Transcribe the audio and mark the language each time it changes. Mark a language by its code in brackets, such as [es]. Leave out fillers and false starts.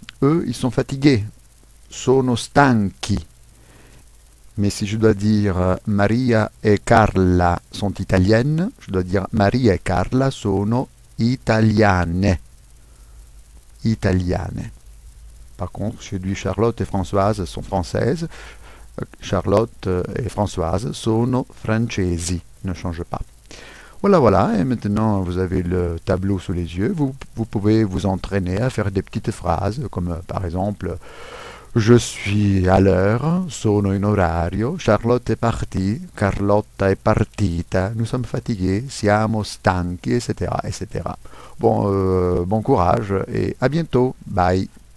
[fr] Eux, ils sont fatigués. [it] Sono stanchi. [fr] Mais si je dois dire Maria et Carla sont italiennes, je dois dire Maria et Carla [it] sono italiane. Italiane. [fr] Par contre, je dis Charlotte et Françoise sont françaises. [it] Charlotte et Françoise sono francesi. [fr] Ne change pas. Voilà, et maintenant vous avez le tableau sous les yeux, vous pouvez vous entraîner à faire des petites phrases, comme par exemple, je suis à l'heure, [it] sono in orario, [fr] Charlotte est partie, [it] Carlotta est partita, [fr] nous sommes fatigués, [it] siamo stanchi, [fr] etc., etc. Bon courage et à bientôt, bye!